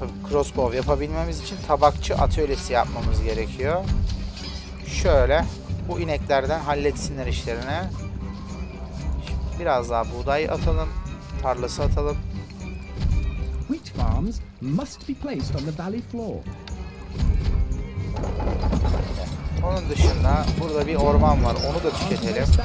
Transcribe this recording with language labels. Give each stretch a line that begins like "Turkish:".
Turkish: Crossbow yapabilmemiz için tabakçı atölyesi yapmamız gerekiyor. Şöyle bu ineklerden halletsinler işlerini. Şimdi biraz daha buğday atalım. Tarlası atalım.
English: Wheat farms must be placed on the valley floor.
Turkish: Onun dışında burada bir orman var. Onu da tüketelim.